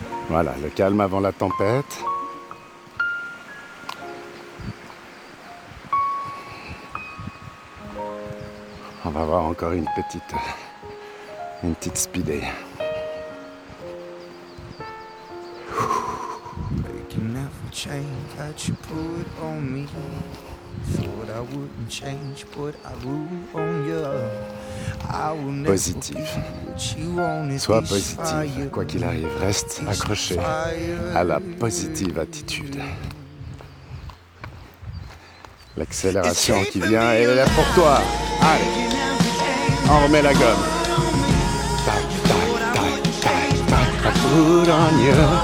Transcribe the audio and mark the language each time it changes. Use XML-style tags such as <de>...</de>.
<fr>Voilà, le calme avant la tempête. On va avoir encore une petite speedée.</fr> <en>Making every chain that you put on me. Thought I wouldn't change, but I grew on you.</en> <fr>Positif. Sois positive, quoi qu'il arrive, reste accroché à la positive attitude. L'accélération qui vient, elle est là pour toi. Allez. On remet la gomme. Tac, tac, tac, tac, tac, tac, put on you.</fr>